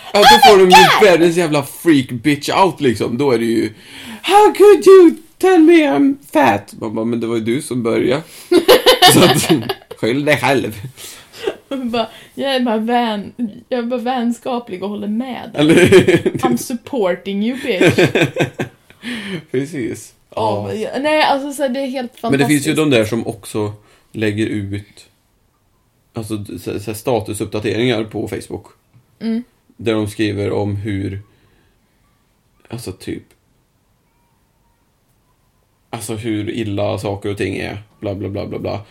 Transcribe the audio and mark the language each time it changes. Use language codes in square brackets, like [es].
[sv] ja, då får de ju världens jävla [en] freak bitch out [sv] liksom. Då är det ju, [en] how could you tell me I'm fat? [sv] Man bara, men det var ju du som började. Så att, skyll dig själv. Jag är bara vän. Jag är bara vänskaplig och håller med. [en] I'm supporting you, bitch. [sv] Precis. Ja. Oh, nej, alltså så det är helt fantastiskt. Men det finns ju de där som också lägger ut alltså så statusuppdateringar på Facebook. Mm. Där de skriver om hur alltså typ alltså hur illa saker och ting är, bla bla bla bla bla.